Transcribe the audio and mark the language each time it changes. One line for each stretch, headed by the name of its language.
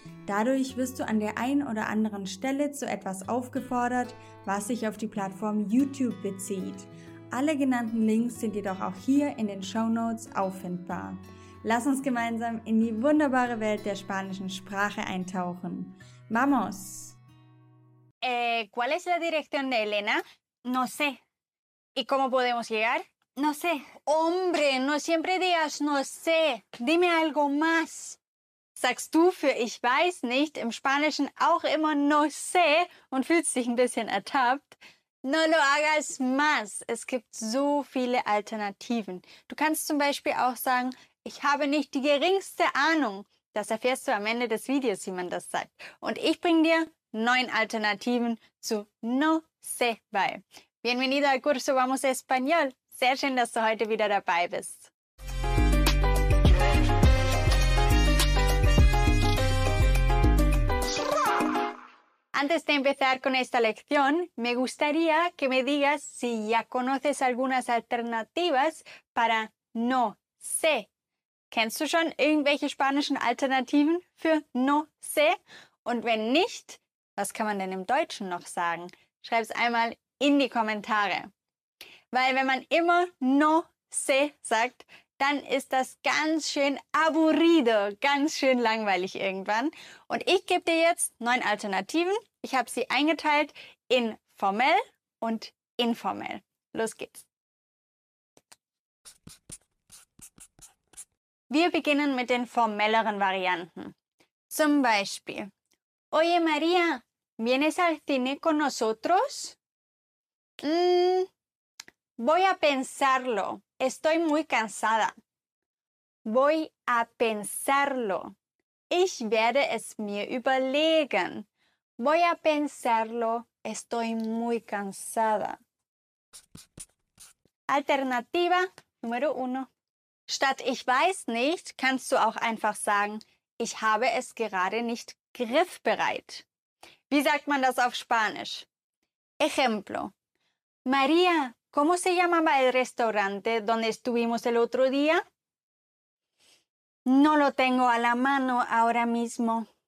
German: Dadurch wirst du an der einen oder anderen Stelle zu etwas aufgefordert, was sich auf die Plattform YouTube bezieht. Alle genannten Links sind jedoch auch hier in den Shownotes auffindbar. Lass uns gemeinsam in die wunderbare Welt der spanischen Sprache eintauchen.
Spanish: ¡Vamos! ¿Cuál es la dirección de Elena? No sé. ¿Y cómo podemos llegar? No sé. ¡Hombre, no siempre digas no sé! Dime algo más.
German: Sagst du für ich weiß nicht im Spanischen auch immer no sé und fühlst dich ein bisschen ertappt?
Spanish: No lo hagas más.
German: Es gibt so viele Alternativen. Du kannst zum Beispiel auch sagen, ich habe nicht die geringste Ahnung. Das erfährst du am Ende des Videos, wie man das sagt. Und ich bringe dir 9 Alternativen zu no sé bei.
Spanish: Bienvenido al curso Vamos Español.
German: Sehr schön, dass du heute wieder dabei bist.
Spanish: Antes de empezar con esta lección, me gustaría que me digas si ya conoces algunas alternativas para no sé.
German: ¿Kennst du schon irgendwelche spanischen Alternativen für no sé? Und wenn nicht, was kann man denn im Deutschen noch sagen? Schreib es einmal in die Kommentare. Weil wenn man immer no sé sagt, dann ist das ganz schön aburrido, ganz schön langweilig irgendwann. Und ich gebe dir jetzt 9 Alternativen. Ich habe sie eingeteilt in formell und informell. Los geht's. Wir beginnen mit den formelleren Varianten. Zum Beispiel:
Spanish: Oye María, ¿vienes al cine con nosotros? Voy a pensarlo. Estoy muy cansada. Voy a pensarlo.
German: Ich werde es mir überlegen.
Spanish: Voy a pensarlo. Estoy muy cansada. Alternativa número uno.
German: Statt ich weiß nicht, kannst du auch einfach sagen, ich habe es gerade nicht griffbereit. Wie sagt man das auf Spanisch?
Spanish: Ejemplo. María, ¿cómo se llamaba el restaurante donde estuvimos el otro día? No lo tengo a la mano ahora mismo.